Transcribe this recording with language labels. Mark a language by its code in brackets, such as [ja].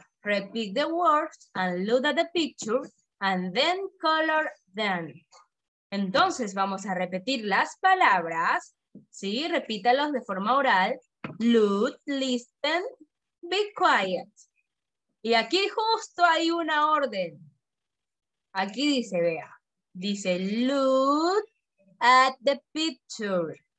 [en] Repeat the words and look at the picture and then color them. [es] Entonces vamos a repetir las palabras. Sí, repítalos de forma oral. [en] Look, listen, be quiet. [es] Y aquí justo hay una orden. Aquí dice, vea. [en] Dice, look at the picture.